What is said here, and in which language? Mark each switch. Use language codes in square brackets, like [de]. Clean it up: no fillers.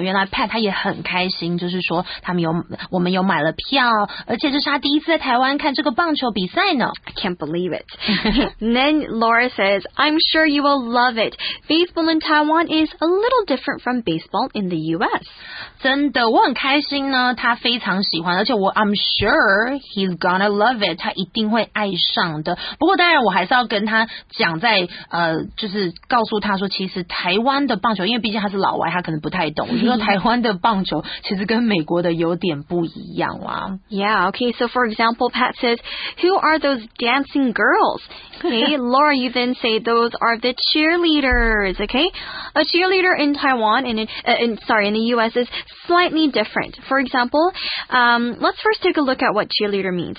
[zh] 原来 Pat 他也很开心，就是说我们有买了票，而且这是他第一次在台湾看这个棒球比赛呢。 [en] I can't believe it. Then Laura says, I'm sure you will love it. Baseball in Taiwan is a little different from baseball in the U.S. [zh] 真的，我很开心呢，他非常喜欢，而且我 I'm sure he's gonna love it. 他一定会爱上的。不过当然，我还是要跟他讲在，就是告诉他说，其实台湾的棒球，因为毕竟他是老外，他可能不太懂。就说台湾的棒球其实跟美国的有点不一样啊。 [en] Yeah, okay. So for example, Pat says, "Who are those dancing girls?" Okay, Laura, you then say, "Those are the cheerleaders." Okay, a cheerleader in Taiwan and in the U.S. is slightly different. For example, let's first take a look at what cheerleader means.